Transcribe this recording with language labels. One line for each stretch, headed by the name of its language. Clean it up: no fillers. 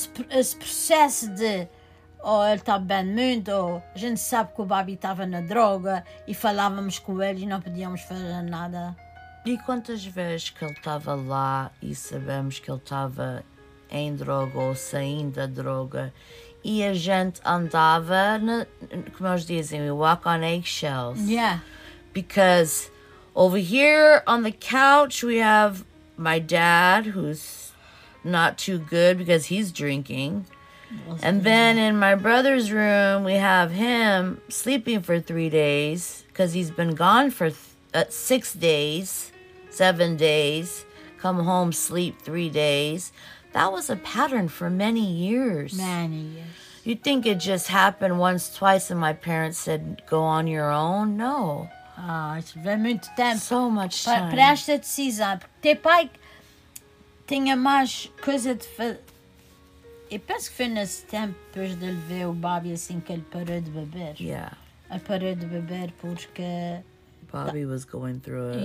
Portuguese: Esse processo de, ele está bem muito, ou a gente sabe que o Babi estava na droga e falávamos com ele e não podíamos fazer nada. E quantas vezes que ele estava lá e sabemos que ele estava em droga ou saindo da droga e a gente andava, como eles dizem,
English: we walk on eggshells. Yeah. Because over here on the couch we have my dad who's not too good because he's drinking. And then in my brother's room we have him sleeping for 3 days because he's been gone for 6 days. 7 days, come home, sleep 3 days. That was a pattern for many years. Many years. You'd think it just happened once, twice, and my parents said, go on your own? No. Ah, it's very much time. So much time.
Portuguese: Pra esta decisão. Porque teu pai tinha mais coisa de fazer. Eu penso que foi nesse tempo depois de levar o Bobby assim que ele parou de beber.
English: Yeah.
Portuguese: Ele parou de beber porque...
English: Bobby was going through it.